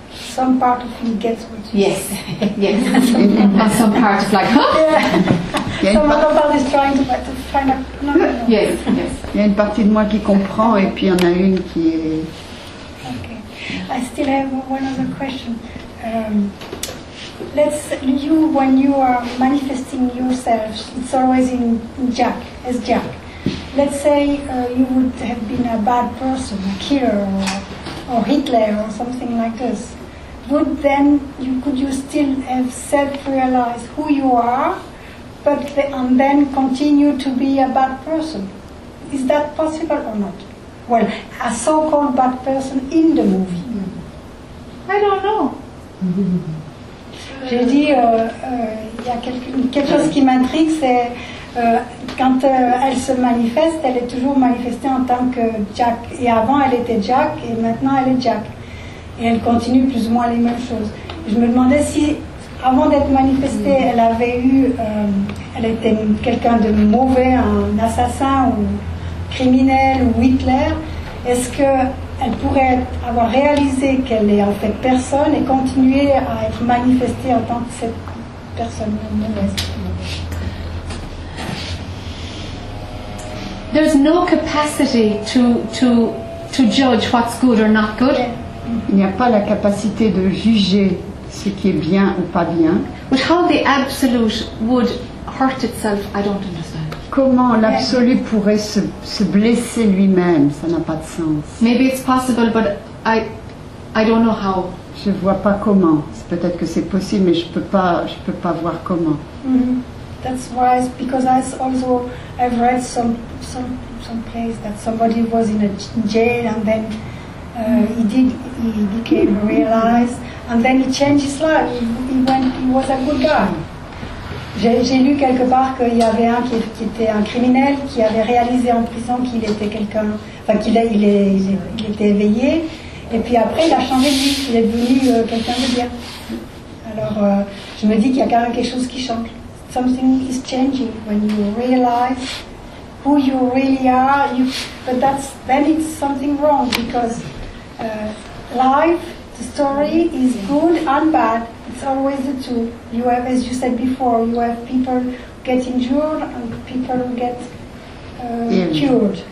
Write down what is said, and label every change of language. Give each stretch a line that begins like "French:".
English: Okay. Some part of me gets what you say. Yes. Yes. Some part of like, huh? Yeah. Some other part is trying to find a... Yes.
French: Il y a une partie de moi qui comprend et puis il y en a une qui est...
English: I still have one other question. let's you when you are manifesting yourself, it's always in Jack, as Jack. Let's say you would have been a bad person, a killer or Hitler or something like this. Would then you could you still have self-realized who you are, but and then continue to be a bad person? Is that possible or not? Well, a so-called bad person in the movie. I don't know.
French: J'ai dit, il y a quelque chose qui m'intrigue, c'est quand elle se manifeste, elle est toujours manifestée en tant que Jack. Et avant, elle était Jack, et maintenant, elle est Jack. Et elle continue plus ou moins les mêmes choses. Je me demandais si, avant d'être manifestée, elle avait eu, elle était quelqu'un de mauvais, un assassin ou criminel ou Hitler, est-ce que elle pourrait avoir réalisé qu'elle est en fait personne et continuer à être manifestée en tant que cette personne mauvaise.
English: There's no capacity to judge what's good or not good.
French: Il n'y a pas la capacité de juger ce qui est bien ou pas bien.
English: But how the absolute would hurt itself, I don't understand.
French: Comment l'absolu pourrait se blesser lui-même? Ça n'a pas de sens.
English: Maybe it's possible, but I don't know how.
French: Je vois pas comment. Peut-être que c'est possible, mais je peux pas voir comment. Mm-hmm.
English: That's wise because I've read some place that somebody was in a jail and then he became realized and then he changed his life. He was a good guy.
French: J'ai lu quelque part qu'il y avait un qui était un criminel qui avait réalisé en prison qu'il était quelqu'un, enfin qu'il était éveillé, et puis après il a changé de vie, il est devenu quelqu'un de bien. Alors je me dis qu'il y a quand même quelque chose qui change.
English: Something is changing when you realize who you really are. But then it's something wrong because life, the story is good and bad. It's always the two. You have, as you said before, you have people who get injured and people who get cured.